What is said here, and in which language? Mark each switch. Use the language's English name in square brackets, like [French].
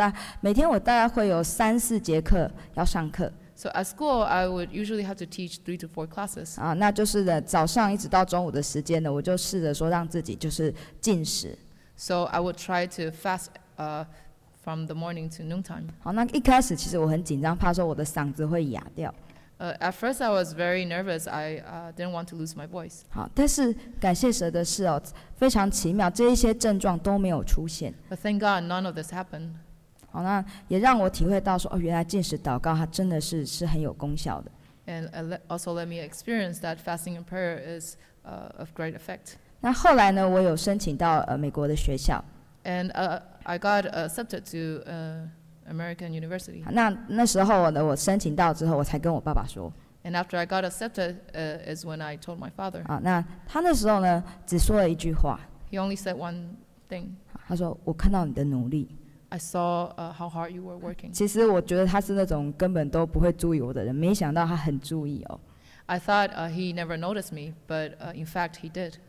[Chinese] 所以呢，我在学校就是每天早上，每天我大概会有三四节课要上课。 [English] So at school, I would usually have to teach 3 to 4 classes. [Chinese] 那就是呢，早上一直到中午的时间呢，我就试着说让自己就是禁食。 [English] So I would try to fast from the morning to noontime. [Chinese] 那一开始其实我很紧张，怕说我的嗓子会哑掉。 [English] At first, I was very nervous. I didn't want to lose my voice. [Chinese] 好，但是感谢神的是哦，非常奇妙，这一些症状都没有出现。 [English] But thank God, none of this happened. [Chinese] 好，那也让我体会到说，哦，原来禁食祷告它真的是很有功效的。 [English] And also let me experience that fasting and prayer is of great effect. [Chinese] 那后来呢，我有申请到美国的学校。 [English] And I got accepted to. American University. [Chinese] 那时候呢，我申请到之后，我才跟我爸爸说。 [English] And after I got accepted, is when I told my father. [Chinese] 那他那时候呢，只说了一句话。 [English] He only said one thing. [Chinese] 他说：“我看到你的努力。” [English] I saw how hard you were working. [Chinese] 其实我觉得他是那种根本都不会注意我的人，没想到他很注意哦。 [English] I thought he never noticed me, but in fact he did.